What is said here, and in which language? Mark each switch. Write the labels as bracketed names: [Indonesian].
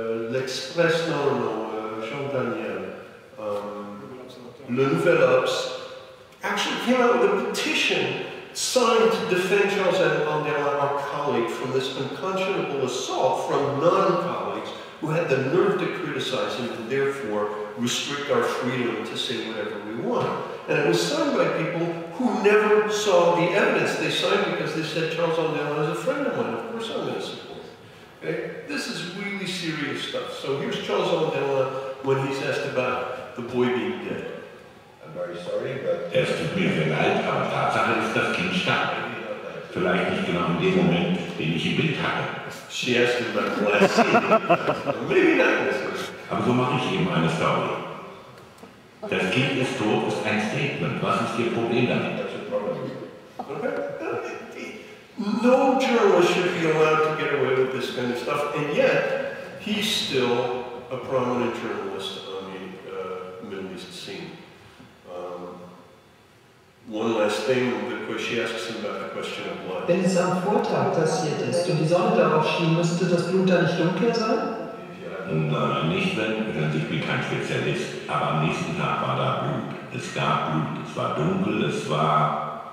[English] L'Express, Jean Daniel, Le Nouvel Ops, actually came out with a petition signed to defend Charles Amadeus, our colleague, from this unconscionable assault from non-colleagues who had the nerve to criticize him and therefore restrict our freedom to say whatever we want. And it was signed by people who never saw the evidence. They signed because they said Charles Amadeus is a friend of mine. Of course I'm innocent. Okay? This is really serious stuff. So here's Charles Amadeus when he's asked about the boy being dead. I'm very sorry, but... [German] Es tut mir sehr leid, aber Tatsache ist, das Kind starb. Vielleicht nicht genau in dem Moment, den ich im Bild hatte. [English] She asked him about the last scene. Maybe not this one. [German] Aber so mache ich eben eine Story. Das Kind ist tot ist ein Statement. Was ist Ihr Problem damit? [English] That's a problem. Okay. No journalist should be allowed to get away with this kind of stuff, and yet, he's still a prominent journalist on the Middle East scene. One last thing, because she asks him about the question of blood. [German] Wenn es am Vortag passiert ist und die Sonne darauf schien, müsste das Blut da nicht dunkler sein? Nein, nicht wenn, ich bin kein Spezialist, aber am nächsten Tag war da Blut. Es gab Blut, es war dunkel, es war...